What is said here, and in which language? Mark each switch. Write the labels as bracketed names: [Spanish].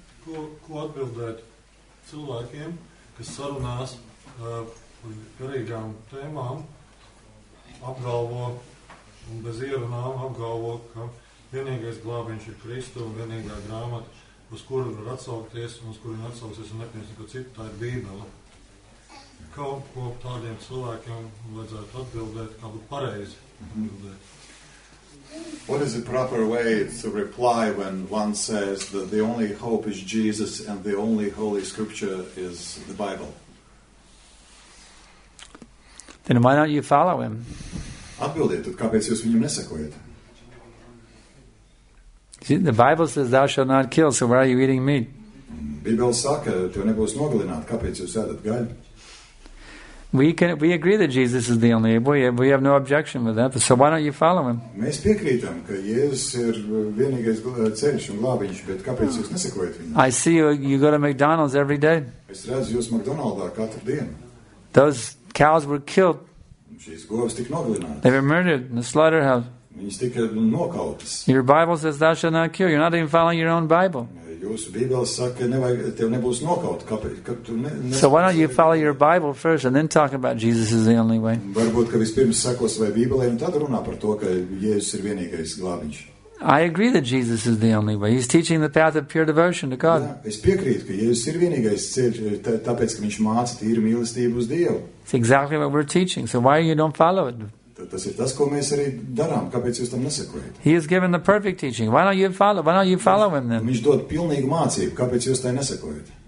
[Latvian] Ko atbildēt cilvēkiem, kas sarunās par garīgām tēmām, apgalvo un bez ierunām apgalvo, ka vienīgais glābiņš ir Kristu un vienīgā grāmata, uz kuru var atsaukties un uz kuru var atsaukties un nepiemēs neko citu, tā ir Bībele. Kaut ko tādiem cilvēkiem vajadzētu atbildēt, kā būtu pareizi atbildēt. [English] What is the proper way to reply when one says that the only hope is Jesus and the only holy scripture is the Bible? Then why don't you follow him? [Latvian] Atbildiet, tad kāpēc jūs viņam nesekojat? [English] See, the Bible says thou shalt not kill, so why are you eating meat? [Latvian] Bībele saka, tev nebūs nogalināt, kāpēc jūs ēdat gaļu? [English] We agree that Jesus is the only boy. We have no objection with that. So why don't you follow him? [Latvian] Mēs piekrītam, ka Jēzus ir vienīgais ceļš un glābiņš, bet kāpēc jūs nesekojat viņam? [English] I see you go to McDonald's every day. [Latvian] Es redzu jūs McDonald'ā katru dienu. [English] Those cows were killed. [Latvian] Šīs govis tika nogalinātas. [English] They were murdered in the slaughterhouse. [Latvian] Viņas tika nokautas. [English] Your Bible says thou shalt not kill. You're not even following your own Bible. [Latvian] Jūsu Bībele saka, tev nebūs nokaut, [English] So why don't you follow your Bible first and then talk about Jesus is the only way? [Latvian] Varbūt, ka vispirms sako savai Bībelei un tad runā par to, ka Jēzus ir vienīgais glābiņš. [English] I agree that Jesus is the only way. He's teaching the path of pure devotion to God. [Latvian] Jā, es piekrītu, ka Jēzus ir vienīgais ceļš, tāpēc, ka viņš māca tīru mīlestību uz Dievu. [English] It's exactly what we're teaching, so why you don't follow it? [Latvian] Tas ir tas, ko mēs arī darām. Kāpēc jūs tam nesekojat? [English] He has given the perfect teaching. Why don't you follow him then? [Latvian] Viņš dod pilnīgu mācību. Kāpēc jūs tai nesekojat?